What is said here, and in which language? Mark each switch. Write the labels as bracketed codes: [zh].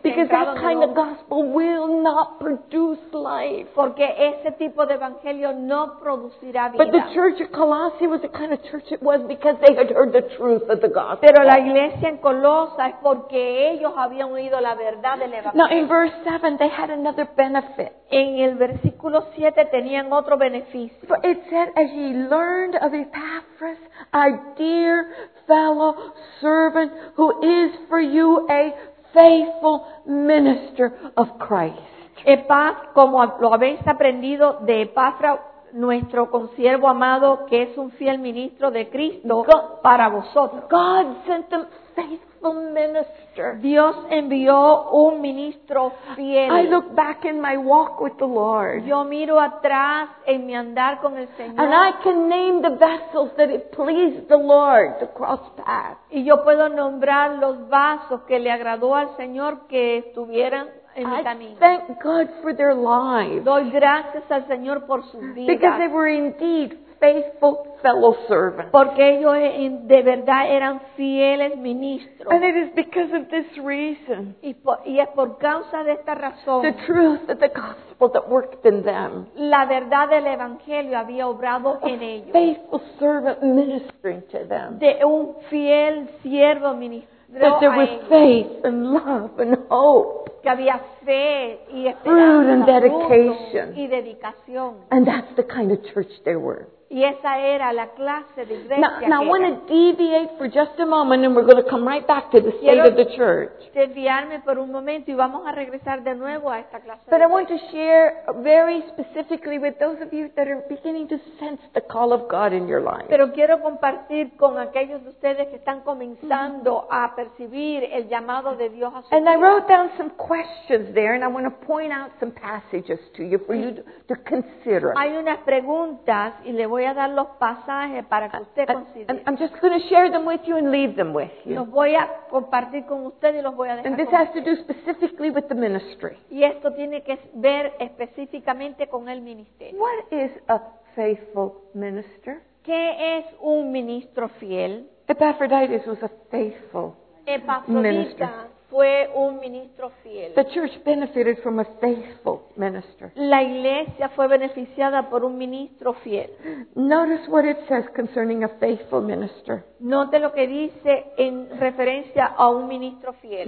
[en] Because that kind of gospel will not produce life. [es] Porque ese tipo de evangelio no producirá vida. [en] But the church at Colossae was the kind of church it was because they had heard the truth of the gospel. [es] Pero la iglesia en Colosa es porque ellos habían oído la verdad. [en] Now in verse 7 they had another benefit. [es] En el versículo 7 tenían otro beneficio. [en] For it said, as he learned of Epaphras, a dear fellow servant who is for you a faithful minister of Christ. [es] Epaf, como lo habéis aprendido de Epafra, nuestro consiervo amado, que es un fiel ministro de Cristo, [en] God, [es] para vosotros. [en] God sent them faithful minister. [es] Dios envió un ministro fiel. [en] I look back in my walk with the Lord. [es] Yo miro atrás en mi andar con el Señor. [en] And I can name the vessels that it pleased the Lord to cross paths. [es] Y yo puedo nombrar los vasos que le agradó al Señor que estuvieran. [en] I thank God for their lives. [es] Doy gracias al Señor por sus vidas. [en] Because they were indeed faithful fellow servants. [es] Porque ellos de verdad eran fieles ministros. [en] And it is because of this reason. [es] Y es por causa de esta razón. [en] The truth of the gospel that worked in them. [es] La verdad del evangelio había obrado en ellos. [en] Faithful servant ministering to them. [es] De un fiel siervo ministro. [en] That there was faith and love and hope. [es] Que había fe y [en] fruit and dedication. [es] Y dedicación. [en] And that's the kind of church they were. [es] Y esa era la clase de iglesia. [en] Now I want to deviate for just a moment and we're going to come right back to the state of the church. But I want to share very specifically with those of you that are beginning to sense the call of God in your life. [es] Pero quiero compartir con aquellos de ustedes que están comenzando a percibir el llamado de Dios a su vida. [en] And I wrote down some questions there and I want to point out some passages to you for you to consider. [es] Hay unas preguntas y le voy a dar los pasajes para que usted considere. [en] I'm just going to share them with you and leave them with you. [es] Los voy a compartir con usted y los voy a dejar. [en] And this has to do specifically with the ministry. [es] Y esto tiene que ver específicamente con el ministerio. [en] What is a faithful minister? [es] ¿Qué es un ministro fiel? [en] Epaphroditus was a faithful minister. [es] Fue un ministro fiel. [en] The church benefited from a faithful minister. [es] La iglesia fue beneficiada por un ministro fiel. [en] Notice what it says concerning a faithful minister. [es] Note lo que dice en referencia a un ministro fiel.